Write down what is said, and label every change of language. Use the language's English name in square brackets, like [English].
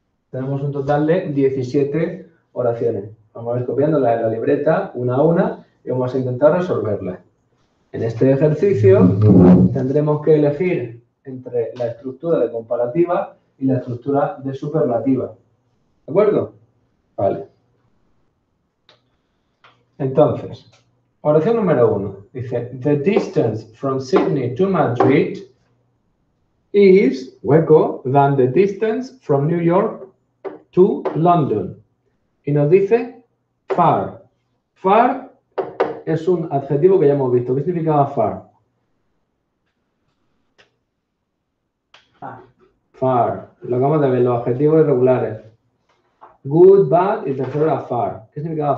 [Spanish] Tenemos un total de 17 oraciones. Vamos a ir copiándolas en la libreta una a una y vamos a intentar resolverlas. En este ejercicio tendremos que elegir entre la estructura de comparativa y la estructura de superlativa. ¿De acuerdo? Vale. Entonces, oración número uno. Dice, [English] The distance from Sydney to Madrid is, [Spanish] hueco, [English] than the distance from New York to London. [Spanish] Y nos dice far. Far es un adjetivo que ya hemos visto. ¿Qué significaba far? Far. Lo acabamos de ver, los adjetivos irregulares. Good, bad y tercero era far. ¿Qué significaba